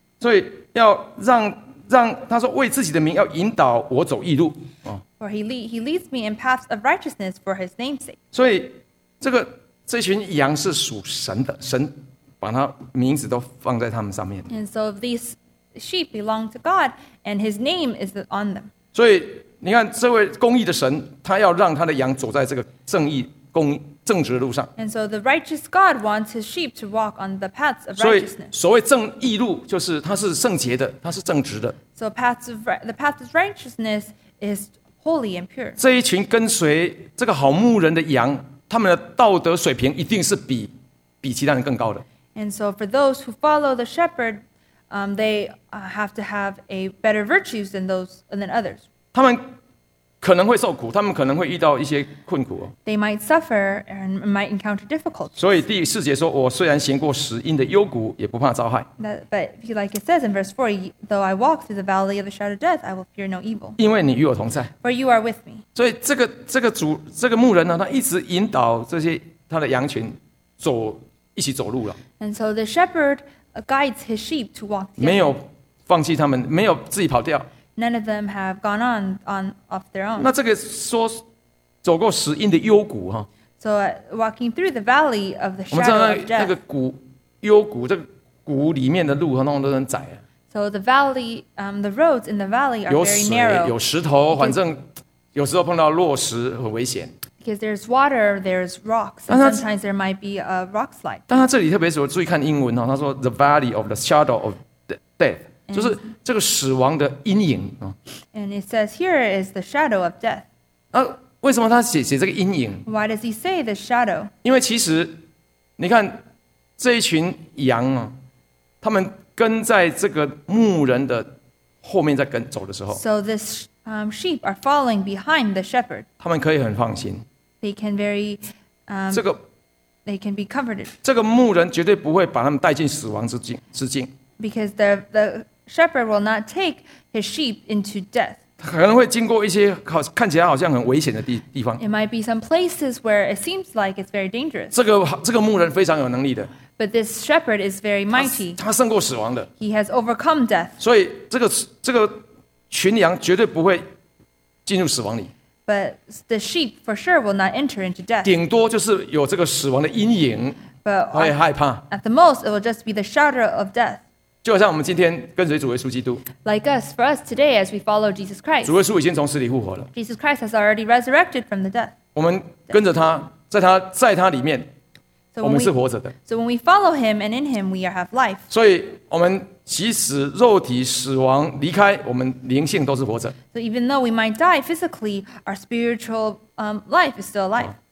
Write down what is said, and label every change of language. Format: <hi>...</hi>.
<zh>所以要让他说为自己的名要引导我走义路。</zh> <en>For he leads me in paths of righteousness for his name's sake.</en> <zh>所以这群羊是属神的，神把他名字都放在他们上面。</zh> <en>And so these sheep belong to God, and his name is on them.</en> <zh>所以你看，这位公义的神，他要让他的羊走在这个正义、公义、正直的路上。</zh> <en>And so the righteous God wants his sheep to walk on the paths of righteousness.</en> <zh>所以所谓正义路，就是他是圣洁的，他是正直的。</zh> <en>So the path of righteousness is holy and pure.</en> <zh>这一群跟随这个好牧人的羊，他们的道德水平一定是比其他人更高的。</zh> <en>And so for those who follow the shepherd, they have to have a better virtues than others.</en> <zh>他们可能会受苦，他们可能会遇到一些困苦。</zh> <en>They might suffer and might encounter difficulties.</en> <zh>所以第四节说，我虽然行过死荫的幽谷，也不怕遭害。</zh> <en>But like it says in verse 4, though I walk through the valley of the shadow of death, I will fear no evil.</en> <zh>因为你与我同在。</zh> <en>For you are with me.</en> <zh>所以这个牧人呢，他一直引导这些他的羊群一起走路了。</zh> <en>And so the shepherd guides his sheep to walk together.</en> <zh>没有放弃他们，没有自己跑掉。</zh> <en>None of them have gone on off their own.</en> <zh>那这个说走过死荫的幽谷哈。</zh> <en>So walking through the valley of the shadow of death.</en> <zh>我们知道那个谷幽谷，这个谷里面的路很多都很窄。</zh> <en>So the valley, the roads in the valley are very narrow.</en> <zh>有水，有石头，反正有时候碰到落石很危险。</zh> <en>Because there's water, there's rocks, and sometimes there might be a rock slide.</en> <zh>但他这里特别说，注意看英文哈，他说</zh> <en>the valley of the shadow of death。</en> <zh>就是这个死亡的阴影。</zh> <en>And it says here is the shadow of death.</en> <zh>为什么他写这个阴影？</zh> <en>Why does he say the shadow?</en> <zh>因为其实你看这一群羊啊，他们跟在这个牧人的后面在跟走的时候，</zh> <en>So this sheep are following behind the shepherd.</en> <zh>他们可以很放心。</zh> <en>They can very</en> <zh>这个</zh> <en>they can be comforted.</en> <zh>这个牧人绝对不会把他们带进死亡之境。</zh> <en>Because the shepherd will not take his sheep into death.</en> <zh>可能会经过一些看起来好像很危险的地方。</zh> <en>It might be some places where it seems like it's very dangerous.</en> <zh>这个牧人非常有能力的。</zh> <en>But this shepherd is very mighty.</en> <zh>他胜过死亡的。</zh> <en>He has overcome death.</en> <zh>所以这个群羊绝对不会进入死亡里。</zh> <en>But the sheep for sure will not enter into death.</en> <zh>顶多就是有这个死亡的阴影。</zh> <en>But</en> <zh>会害怕。</zh> <en>At the most, it will just be the shadow of death.</en> <zh>就好像我们今天跟随主耶稣基督。</zh> <en>Like us, for us today, as we follow Jesus Christ.</en> <zh>主耶稣已经从死里复活了。</zh> <en>Jesus Christ has already resurrected from the death.</en> <zh>我们跟着他，在他里面。我们是活着的。</zh> <en>So when we follow him and in him we have life.</en> <zh>所以我们即使肉体死亡离开，我们灵性都是活着。</zh> <en>So even though we might die physically, our spiritual life is still alive.</en>